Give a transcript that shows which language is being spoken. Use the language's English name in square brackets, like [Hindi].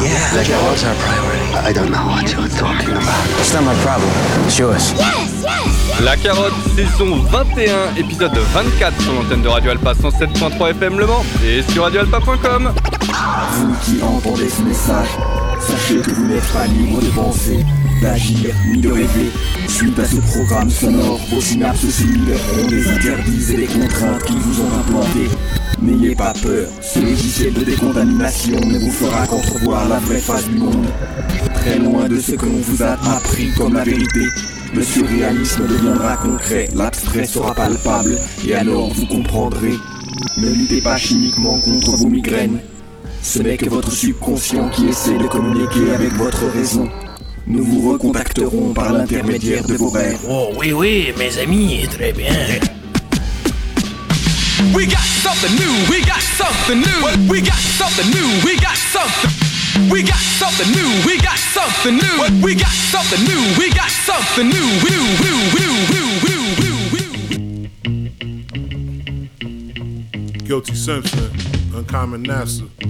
[English] Yeah, like it was our priority. I don't know what you're talking about. It's not my problem. It's yours. Yes, yes, yes! [French] La Carotte, saison 21, épisode 24 sur l'antenne de Radio Alpa 107.3 FM Le Mans et sur radioalpa.com. Vous qui entendez ce message, sachez que vous n'êtes pas libre de penser, d'agir ni de rêver. Suite à ce programme sonore, vos synapses se libéreront des interdits et des contraintes qui vous ont implantées. N'ayez pas peur, ce logiciel de décontamination ne vous fera qu'entrevoir la vraie face du monde. Très loin de ce que l'on vous a appris comme la vérité, le surréalisme deviendra concret, l'abstrait sera palpable, et alors vous comprendrez. Ne luttez pas chimiquement contre vos migraines. Ce n'est que votre subconscient qui essaie de communiquer avec votre raison. Nous vous recontacterons par l'intermédiaire de vos rêves. Oh oui oui, mes amis, très bien. [English] We got something new, we got something new. We got something new, we got something. We got something new, we got something new. We got something new, we got something new. Woo woo woo woo woo woo woo. Guilty Simpson, Uncommon NASA.